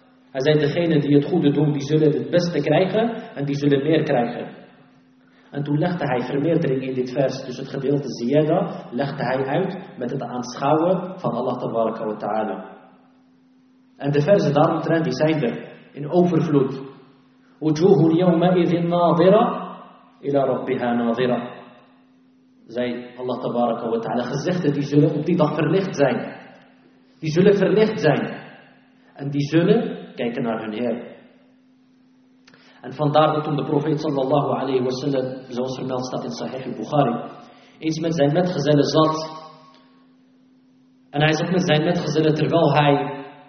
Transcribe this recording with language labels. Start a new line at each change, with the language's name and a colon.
Dutch: Hij zei, degene die het goede doen, die zullen het beste krijgen en die zullen meer krijgen. En toen legde hij vermeerdering in dit vers, dus het gedeelte ziyada legde hij uit met het aanschouwen van Allah tabaraka wa ta'ala. En de versen daaromtrent die zijn er in overvloed.
Arabic: وَجُوهُنْ يَوْمَئِذٍ نَاظِرًا إلى ربها ناظرة.
Dutch: Zei Allah tabaraka wa ta'ala, gezichten die zullen op die dag verlicht zijn. Die zullen verlicht zijn. En die zullen kijken naar hun Heer. En vandaar dat toen de profeet sallallahu alayhi wa sallam, zoals vermeld staat in Sahih al-Bukhari, eens met zijn metgezellen zat. En hij zat met zijn metgezellen terwijl hij